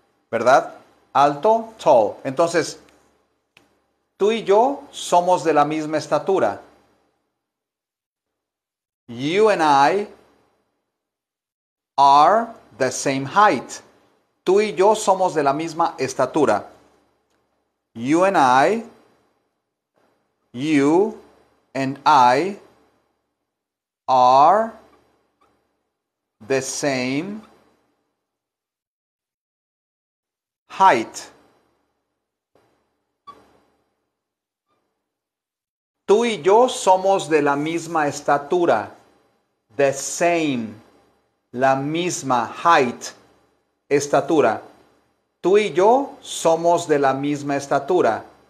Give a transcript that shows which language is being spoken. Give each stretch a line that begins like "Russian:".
Spanish: ¿Verdad? Alto, tall. Entonces, Tú y yo somos de la misma estatura.
English: You and I are the same height.
Spanish: Tú y yo somos de la misma estatura.
English: You and I, you and I are the same height.
Spanish: Tú y yo somos de la misma estatura.
English: The same.
Spanish: La misma height. Estatura. Tú y yo somos de la misma estatura.